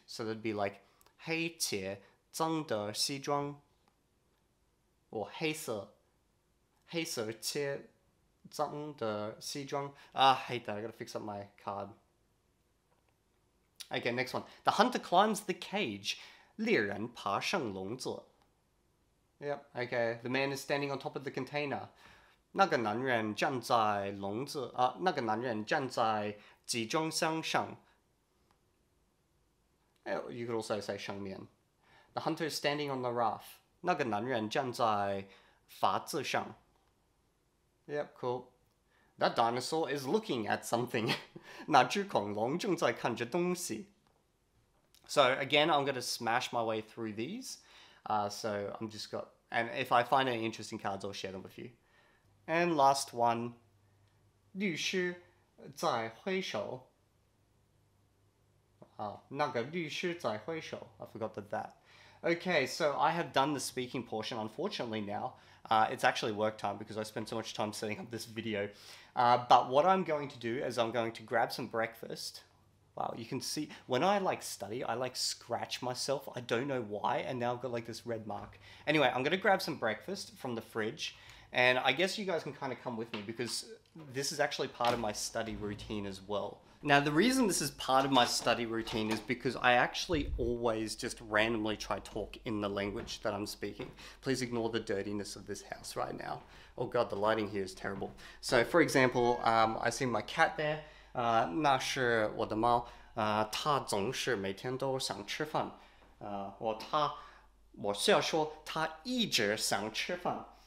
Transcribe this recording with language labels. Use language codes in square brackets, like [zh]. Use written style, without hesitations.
[en] So that'd be like, [zh] 黑且脏的西装, [en] or [zh] 黑色且脏的西装. [en] Ah, I hate that. I gotta fix up my card. Okay, next one. The hunter climbs the cage. [zh] 猎人爬上笼子. [en] Yep, okay. The man is standing on top of the container. [zh] 那个男人站在笼子, 那个男人站在集装箱上. [en] You could also say 上面. The hunter is standing on the raft. [zh] 那个男人站在法子上. [en] Yep, cool. That dinosaur is looking at something. [zh] 那只恐龙正在看着东西. [en] So again, I'm going to smash my way through these. And if I find any interesting cards, I'll share them with you. And last one. [zh] 律师在挥手. [en] Oh, [zh] 那个律师在挥手. [en] I forgot that. Okay, so I have done the speaking portion, unfortunately, now. It's actually work time because I spent so much time setting up this video. But what I'm going to do is I'm going to grab some breakfast. Wow, you can see, when I like study, I like scratch myself. I don't know why, and now I've got like this red mark. Anyway, I'm going to grab some breakfast from the fridge, and I guess you guys can kind of come with me because this is actually part of my study routine as well. Now, the reason this is part of my study routine is because I actually always just randomly try to talk in the language that I'm speaking. Please ignore the dirtiness of this house right now. Oh God, the lighting here is terrible. So for example, I see my cat there. [zh] 那是我的猫，它总是每天都想吃饭。我需要说它一直想吃饭。